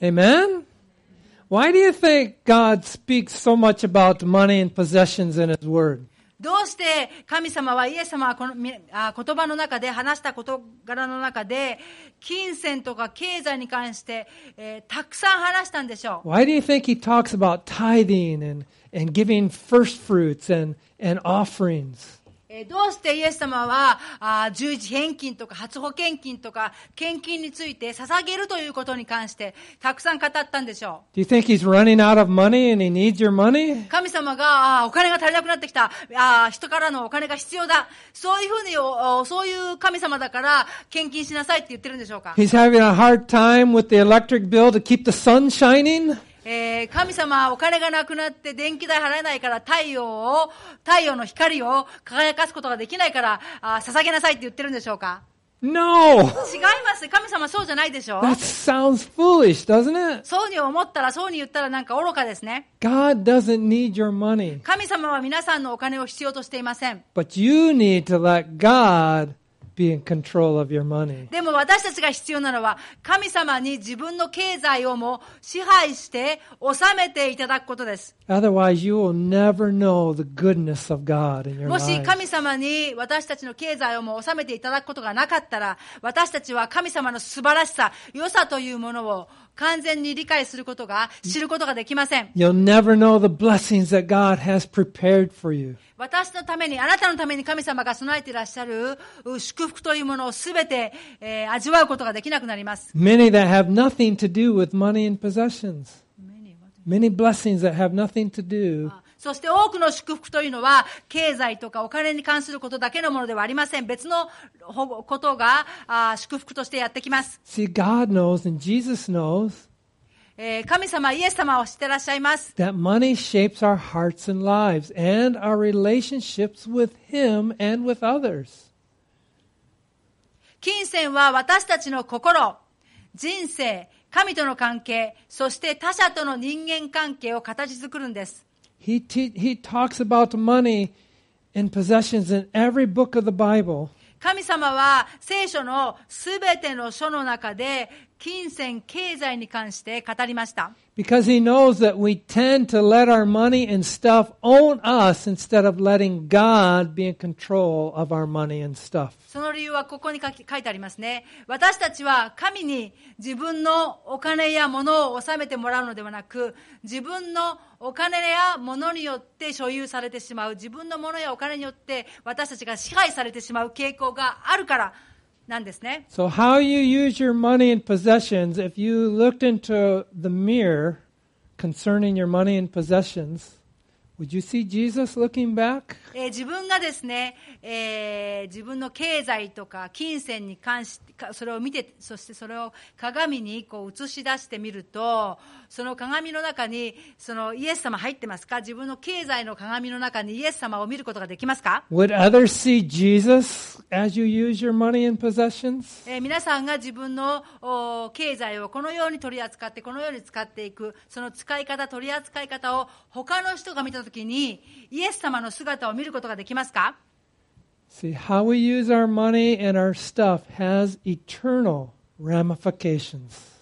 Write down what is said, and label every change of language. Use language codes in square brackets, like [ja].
[en] Amen? Why do you think God speaks so much about money and possessions in His Word? [ja] どうして神様は、イエス様はこの言葉の中で、話した事柄の中で、金銭とか経済に関して、たくさん話したんでしょう。 [en] Why do you think He talks about tithing andAnd giving first fruits and offerings. [ja] どうしてイエス様は十字返金とか初保険金とか献金について捧げるということに関してたくさん語ったんでしょう。 [en] Do you think he's running out of money and he needs your money? [ja] 神様がお金が足りなくなってきた、人からのお金が必要だ、そういうふうに、そういう神様だから献金しなさいって言ってるんでしょうか。 [en] He's having a hard time with the electric bill to keep the sun shining. [ja] 神様はお金がなくなって電気代払えないから太陽の光を輝かすことができないから捧げなさいって言ってるんでしょうか。 [en] No! [ja] 違います。神様そうじゃないでしょう。 [en] That sounds foolish, doesn't it? [ja] そうに思ったら、そうに言ったらなんか愚かですね。 [en] God doesn't need your money. [ja] 神様は皆さんのお金を必要としていません。 [en] But you need to let GodBe in control of your money. [ja] でも私たちが必要なのは、神様に自分の経済をも支配して治めていただくことです。 [en] Otherwise, you will never know the goodness of God in your life. [ja] もし神様に私たちの経済をも治めていただくことがなかったら、私たちは神様の素晴らしさ、良さというものを完全に理解することが、知ることができません。 [en] You'll never know the blessings that God has prepared for you. [ja] 私のために、あなたのために神様が備えていらっしゃる祝福というものをすべて、味わうことができなくなります。 [en] Many that have nothing to do with money and possessions. Many blessings that have nothing to do. [ja] そして多くの祝福というのは経済とかお金に関することだけのものではありません。別のことが祝福としてやってきます。 [en] See, God knows and Jesus knows. [ja] 神様、イエス様を知ってらっしゃいます。 [en] That money shapes our hearts and lives and our relationships with Him and with others. [ja] 金銭は私たちの心、人生、神との関係、そして他者との人間関係を形作るんです。 [en] He talks about money and possessions in every book of the Bible. [ja] 神様は聖書のすべての書の中で金銭、経済に関して語りました。 [en] Because he knows that we tend to let our money and stuff own us instead of letting God be in control of our money and stuff. [ja] その理由はここに書いてありますね。私たちは神に自分のお金や物を納めてもらうのではなく、自分のお金や物によって所有されてしまう、自分の物やお金によって私たちが支配されてしまう傾向があるから、なんですね。 [en] So how you use your money and possessions, if you looked into the mirror concerning your money and possessions, would you see Jesus looking back? [ja] 自分がですね、自分の経済とか金銭に関して、それを見て、そしてそれを鏡にこう映し出してみると、その鏡の中にそのイエス様入ってますか？自分の経済の鏡の中にイエス様を見ることができますか？ [en] Would others see Jesus as you use your money and possessions? [ja] 皆さんが自分の経済をこのように取り扱って、このように使っていく、その使い方、取り扱い方を他の人が見たときに、イエス様の姿を見ることができますか？ [en] See, how we use our money and our stuff has eternal ramifications.